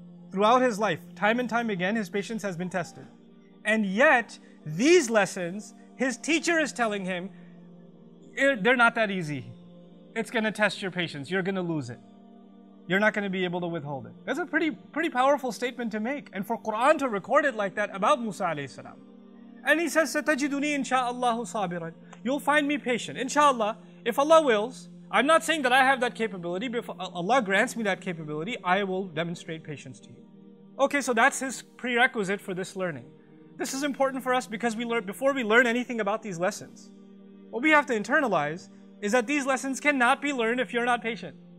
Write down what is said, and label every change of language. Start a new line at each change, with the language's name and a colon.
English: Throughout his life, time and time again, his patience has been tested. And yet, these lessons, his teacher is telling him, they're not that easy. It's going to test your patience. You're going to lose it. You're not going to be able to withhold it. That's a pretty powerful statement to make. And for Quran to record it like that about Musa alayhi salam. And he says,
Arabic: ستجدني إن شاء الله صابرا.
English: You'll find me patient. Inshallah, if Allah wills, I'm not saying that I have that capability, but if Allah grants me that capability, I will demonstrate patience to you. Okay, so that's his prerequisite for this learning. This is important for us because before we learn anything about these lessons, what we have to internalize is that these lessons cannot be learned if you're not patient.